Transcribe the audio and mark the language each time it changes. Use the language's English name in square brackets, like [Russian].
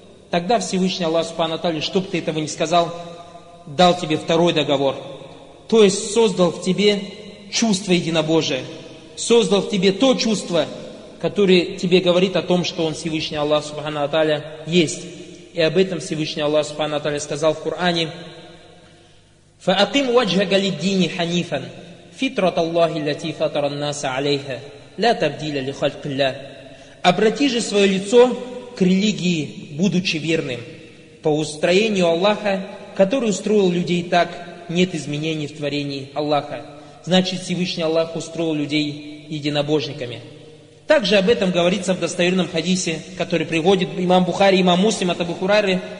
[Russian] Тогда Всевышний Аллах Субхану Аталя, чтоб ты этого не сказал, дал тебе второй договор. То есть создал в тебе чувство единобожие. Создал в тебе то чувство, которое тебе говорит о том, что Он, Всевышний Аллах Субхану Аталя, есть. И об этом Всевышний Аллах Субхану Аталя сказал в Коране: [Arabic] فَأَقِمْ وَجْهَكَ لِلدِّينِ حَنِيفًا فِطْرَةَ اللَّهِ الَّتِي فَطَرَ النَّاسَ عَلَيْهَا لَا تَبْدِيلَ لِخَلْقِ اللَّهِ. [Russian] Обрати же свое лицо к религии, будучи верным. По устроению Аллаха, который устроил людей так, нет изменений в творении Аллаха. Значит, Всевышний Аллах устроил людей единобожниками. Также об этом говорится в достоверном хадисе, который приводит имам Бухари, имам Муслим от Абу Хурайры.